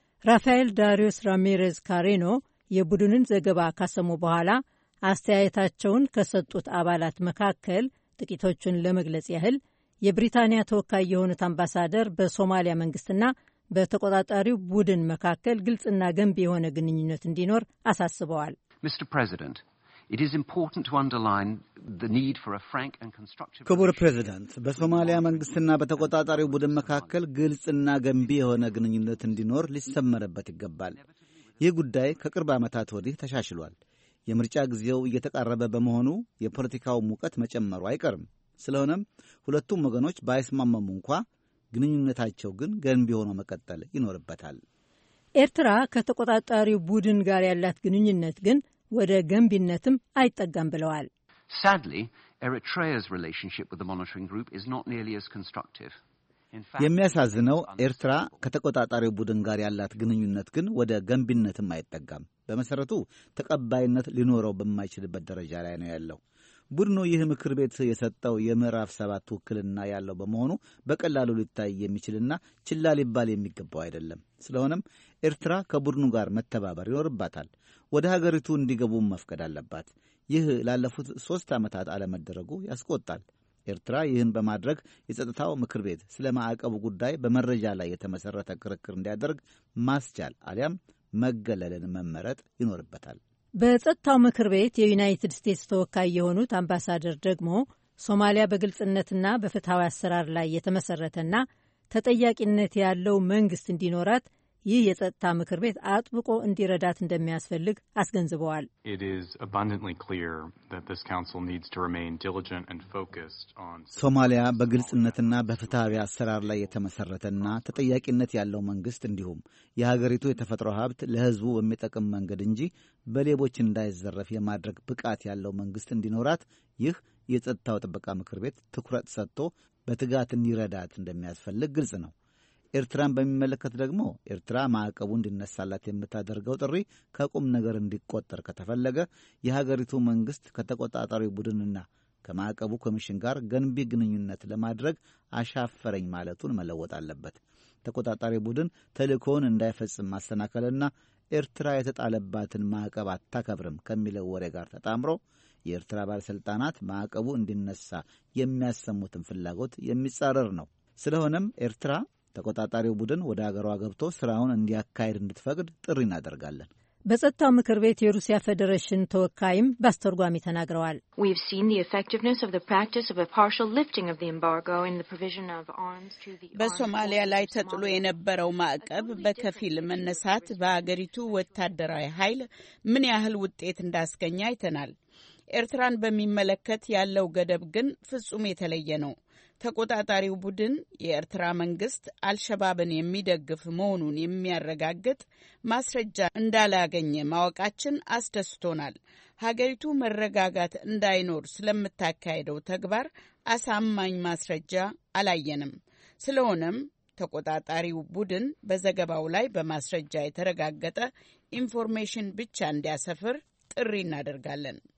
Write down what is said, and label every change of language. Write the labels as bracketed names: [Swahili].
[Amharic] ራፋኤል ዳሪዮስ ራሜሬዝ ካሬኖ የቡድኑን ዘገባ ካሰሙ በኋላ አስተያየታቸውን ከሰጡት አባላት መካከል ጥቂቶቹን ለመግለጽ ያህል የብሪታንያ ተወካይ የሆኑት አምባሳደር በሶማሊያ መንግስትና በተቆጣጣሪው ቡድን መካከል ግልጽና ገንቢ የሆነ ግንኙነት እንዲኖር አሳስበዋል። [English] Mr. President, it is important to underline the need for a frank and constructive [Amharic] ክቡር ፕሬዝዳንት፣ በሶማሊያ መንግስትና በተቆጣጣሪው ቡድን መካከል ግልጽና ገንቢ የሆነ ግንኙነት እንዲኖር ሊሰመርበት ይገባል። ይህ ጉዳይ ከቅርብ ዓመታት ወዲህ ተሻሽሏል። የምርጫ ጊዜው እየተቃረበ በመሆኑ የፖለቲካው ሙቀት መጨመሩ አይቀርም። ስለሆነም ሁለቱም ወገኖች ባይስማሙም እንኳን ግንኙነታቸው ግን ገንቢ ሆኖ መቀጠል ይኖርበታል። ኤርትራ ከተቆጣጣሪው ቡድን ጋር ያላት ግንኙነት ግን ወደ ገንቢነትም አይጠጋም ብለዋል። [English] Sadly, Eritrea's relationship with the monitoring group is not nearly as constructive. [Amharic] የሚያሳዝነው ኤርትራ ከተቆጣጣሪው ቡድን ጋር ያላት ግንኙነት ግን ወደ ገንቢነትም አይጠጋም። በመሰረቱ ተቀባይነት ሊኖረው በማይችልበት ደረጃ ላይ ነው ያለው። ቡድኑ ይህ ምክር ቤት የሰጠው የምዕራፍ 7 ውክልና ያለው በመሆኑ በቀላሉ ሊታይ የሚችልና ችላ ሊባል የሚገባው አይደለም። ስለሆነም ኤርትራ ከቡድኑ ጋር መተባበር ይኖርባታል። ወደ ሀገሪቱ እንዲገቡ መፍቀድ አለባት። ይህ ላለፉት 3 ዓመታት አለመደረጉ ያስቆጣል። ኤርትራ ይህን በማድረግ የጸጥታው ምክር ቤት ስለማዕቀቡ ጉዳይ በመረጃ ላይ የተመሰረተ ክርክር እንዲያደርግ ማስቻል አሊያም መገለልን መመረጥ ይኖርበታል። በጸጥታው ምክር ቤት የዩናይትድ ስቴትስ ተወካይ የሆኑት አምባሳደር ደግሞ ሶማሊያ በግልጽነትና በፍትሐዊ አሰራር ላይ የተመሰረተና ተጠያቂነት ያለው መንግስት እንዲኖራት ይህ የጸጥታ ምክር ቤት አጥብቆ እንዲረዳት እንደሚያስፈልግ አስገንዝበዋል። [English] It is abundantly clear that this council needs to remain diligent and focused on [Amharic] ሶማሊያ በግልጽነትና በፍትሐዊ አሰራር ላይ የተመሰረተና ተጠያቂነት ያለው መንግስት እንዲሁም የሀገሪቱ የተፈጥሮ ሀብት ለህዝቡ በሚጠቅም መንገድ እንጂ በሌቦች እንዳይዘረፍ የማድረግ ብቃት ያለው መንግስት እንዲኖራት ይህ የጸጥታው ጥበቃ ምክር ቤት ትኩረት ሰጥቶ በትጋት እንዲረዳት እንደሚያስፈልግ ግልጽ ነው። ኤርትራን በሚመለከት ደግሞ ኤርትራ ማዕቀቡ እንዲነሳላት የምታደርገው ጥሪ ከቁም ነገር እንዲቆጠር ከተፈለገ የሀገሪቱ መንግስት ከተቆጣጣሪው ቡድንና ከማዕቀቡ ኮሚሽን ጋር ገንቢ ግንኙነት ለማድረግ አሻፈረኝ ማለቱን መለወጥ አለበት። ተቆጣጣሪው ቡድን ተልእኮውን እንዳይፈጽም ማሰናከልና ኤርትራ የተጣለባትን ማዕቀብ አታከብርም ከሚለው ወሬ ጋር ተጣምሮ የኤርትራ ባለስልጣናት ማዕቀቡ እንዲነሳ የሚያሰሙትን ፍላጎት የሚጻረር ነው። ስለሆነም ኤርትራ ተቆጣጣሪው ቡድን ወደ አገሯ ገብቶ ስራውን እንዲያካሂድ እንድትፈቅድ ጥሪ እናደርጋለን። በጸጥታው ምክር ቤት የሩሲያ ፌዴሬሽን ተወካይም በአስተርጓሚ ተናግረዋል። [English] We've seen the effectiveness of the practice of a partial lifting of the embargo in the provision of arms to the [Amharic] በሶማሊያ ላይ ተጥሎ የነበረው ማዕቀብ በከፊል መነሳት በአገሪቱ ወታደራዊ ኃይል ምን ያህል ውጤት እንዳስገኘ አይተናል። ኤርትራን በሚመለከት ያለው ገደብ ግን ፍጹም የተለየ ነው። ተቆጣጣሪው ቡድን የኤርትራ መንግስት አልሸባብን የሚደግፍ መሆኑን የሚያረጋግጥ ማስረጃ እንዳላገኘ ማወቃችን አስደስቶናል። ሀገሪቱ መረጋጋት እንዳይኖር ስለምታካሄደው ተግባር አሳማኝ ማስረጃ አላየንም። ስለሆነም ተቆጣጣሪው ቡድን በዘገባው ላይ በማስረጃ የተረጋገጠ ኢንፎርሜሽን ብቻ እንዲያሰፍር ጥሪ እናደርጋለን።